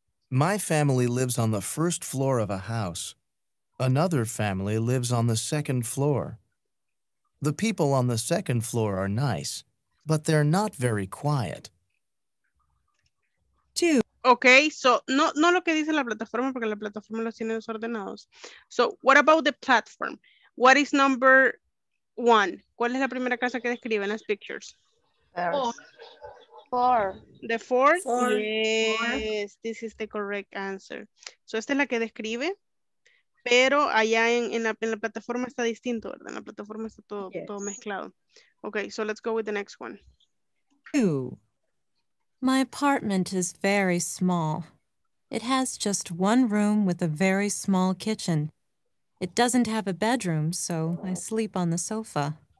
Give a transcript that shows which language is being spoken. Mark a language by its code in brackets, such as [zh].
[en] My family lives on the first floor of a house. Another family lives on the second floor. The people on the second floor are nice, but they're not very quiet. 2. [es] Okay, so no lo que dice la plataforma, porque la plataforma los tiene desordenados. [en] So, what about the platform? What is number 1? [es] ¿Cuál es la primera casa que describe en las pictures? [en] Four. The four? Four. Yes, this is the correct answer. [es] So, esta es la que describe, pero allá en la plataforma está distinto, ¿verdad? En la plataforma está todo, yes, todo mezclado. [en] Okay, so let's go with the next one. 2. My apartment is very small. It has just one room with a very small kitchen. It doesn't have a bedroom, so I sleep on the sofa.